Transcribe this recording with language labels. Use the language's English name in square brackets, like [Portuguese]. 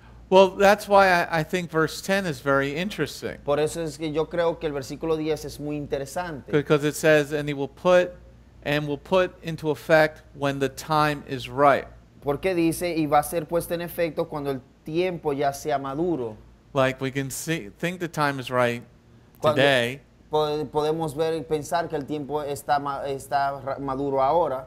[English] Well, that's why I think verse 10 is very interesting. [Spanish] Por eso es que yo creo que el versículo 10 es muy interesante. [English] Because it says, and he will put, and will put into effect when the time is ripe. [Spanish] Porque dice, y va a ser puesto en efecto cuando el tiempo ya sea maduro. [English] Like we can see, think the time is right today. [Spanish] Podemos ver y pensar que el tiempo está maduro ahora.